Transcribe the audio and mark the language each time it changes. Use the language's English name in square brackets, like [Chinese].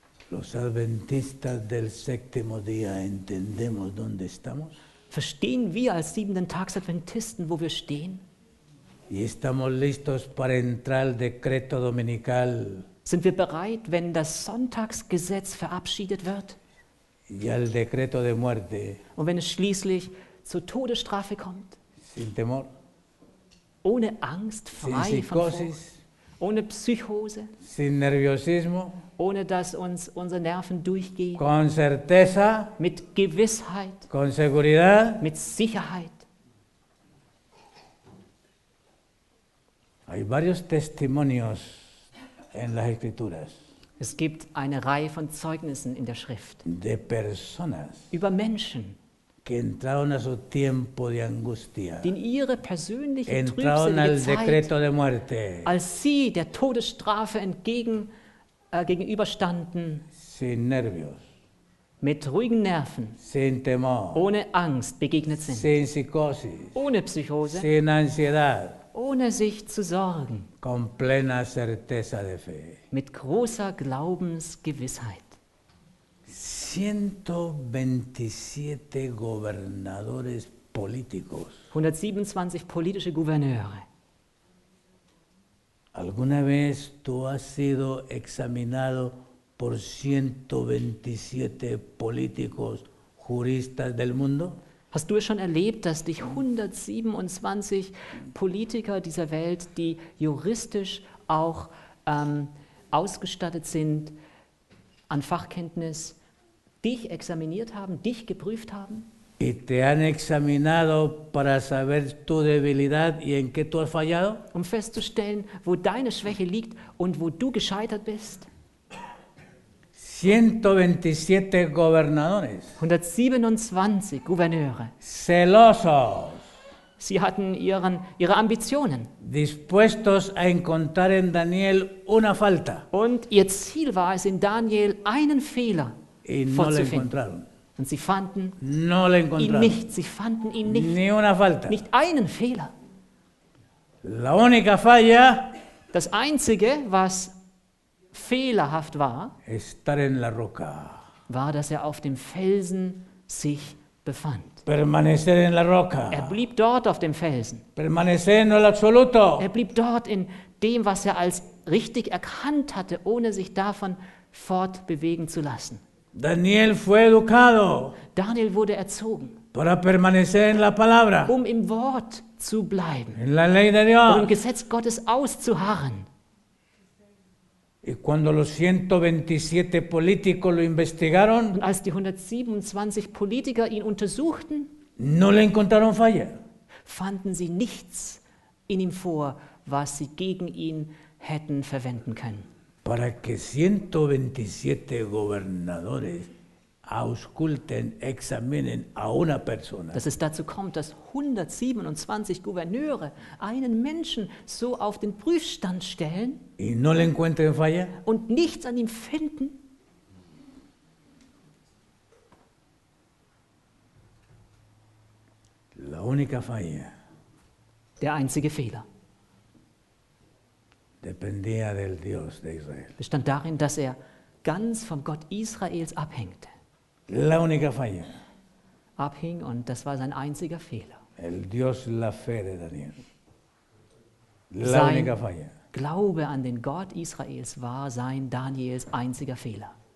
[Spanish] Los Adventistas del séptimo día entendemos dónde estamos. [German] Verstehen wir als siebenten Tags Adventisten, wo wir stehen? [Spanish] Y estamos listos para entrar al decreto dominical. [German] Sind wir bereit, wenn das Sonntagsgesetz verabschiedet wird? [Spanish] Y el decreto de muerte. [German] Und wenn es schließlich zur Todesstrafe kommt? [Spanish] Sin temor. [German] Ohne Angst, frei [Spanish] sin psicosis, [German] von Furcht. Ohne Psychose. [Spanish] Sin nerviosismo. [German] Ohne dass uns unsere Nerven durchgehen. [Spanish] Con certeza. [German] Mit Gewissheit. [Spanish] Con seguridad. [German] Mit Sicherheit. [Spanish] Hay varios testimonios en las escrituras. [German] Es gibt eine Reihe von Zeugnissen in der Schrift. [Spanish] De personas. [German] Über Menschen. [Spanish] Que entraron a su tiempo de angustia. [German] Die in ihre persönliche [Spanish] entraron al [German] Zeit, [Spanish] decreto de muerte. [German] Als sie der Todesstrafe gegenüberstanden. [Spanish] Sin nervios. [German] Mit ruhigen Nerven. [Spanish] Sin temor. [German] Ohne Angst begegnet sind. [Spanish] Sin psicosis. [German] Ohne Psychose. [Spanish] Sin ansiedad. [German] Ohne sich zu sorgen. [Spanish] Con plena certeza de fe. [German] Mit großer Glaubensgewissheit. [Spanish] 127 gobernadores políticos. [German] 127 politische Gouverneure. [Spanish] ¿Alguna vez tú has sido examinado por 127 políticos juristas del mundo? [German] Hast du es schon erlebt, dass dich 127 Politiker dieser Welt, die juristisch auch ausgestattet sind, an Fachkenntnis dich examiniert haben, dich geprüft haben. [Spanish] Y te han examinado para saber tu debilidad y en qué tú has fallado. [German] Um festzustellen, wo deine Schwäche liegt und wo du gescheitert bist. [Spanish] 127 gobernadores. [German] 127 Gouverneure. [Spanish] Celosos. [German] Sie hatten ihre Ambitionen. [Spanish] Dispuestos a encontrar en Daniel una falta. [German] Und ihr Ziel war es, in Daniel einen Fehler vorzufinden. Und sie fanden [Spanish] no le encontraron. [German] Ihn nicht. Sie fanden ihn nicht. [Spanish] Ni una falta. [German] Nicht einen Fehler. [Spanish] La única falla, [German] das Einzige, was fehlerhaft war, [Spanish] estar en la roca. [German] War, dass er auf dem Felsen sich befand. [Spanish] Permanecer en la roca. [German] Er blieb dort auf dem Felsen. [Spanish] Permanecer en el absoluto. [German] Er blieb dort in dem, was er als richtig erkannt hatte, ohne sich davon fortbewegen zu lassen. [Spanish] Daniel fue educado. [German] Daniel wurde erzogen. [Spanish] Para permanecer en la palabra. [German] Um im Wort zu bleiben. [Spanish] En la ley de Dios. [German] Um im Gesetz Gottes auszuharren. [Spanish] Y cuando los 127 políticos lo investigaron, [German] und als die 127 Politiker ihn untersuchten, [Spanish] no le encontraron falla. [German] Fanden sie nichts in ihm vor, was sie gegen ihn hätten verwenden können. [Spanish] Para que 127 gobernadores ausculten, examinen a una persona. [German] Dass es dazu kommt, dass 127 Gouverneure einen Menschen so auf den Prüfstand stellen [Spanish] y no le encuentren falla. [German] Und nichts an ihm finden. [Spanish] La única falla. [German] Der einzige Fehler. [Spanish] Dependía del Dios de Israel. [German] Bestand darin, dass er ganz vom Gott Israels abhängte. [Spanish] La única falla. [German] Abhing und das war sein einziger Fehler. [Spanish] El Dios la fe de Daniel. La sein única falla. [German] Glaube an den Gott Israels war sein Daniels einziger Fehler.